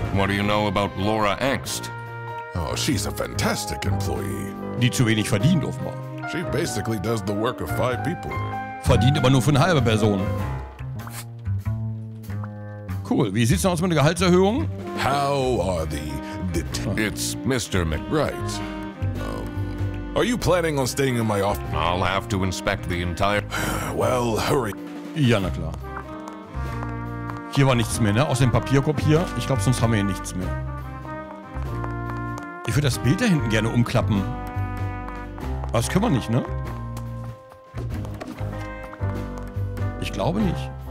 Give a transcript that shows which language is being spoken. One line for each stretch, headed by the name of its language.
English: What do you know about Laura Angst? Oh, she's a fantastic employee.
German: Die zu wenig verdient, offenbar.
English: She basically does the work of five people.
German: Verdient aber nur für eine halbe Person. Cool, wie sieht's denn aus mit der Gehaltserhöhung?
English: How are the... It's Mr. McBright. Are you planning on staying in my office? I'll have to inspect the entire... Well, hurry.
German: Ja, na klar. Hier war nichts mehr, ne? Aus dem Papierkorb hier. Ich glaube, sonst haben wir hier nichts mehr. Ich würde das Bild da hinten gerne umklappen. Aber das können wir nicht, ne? Ich glaube nicht.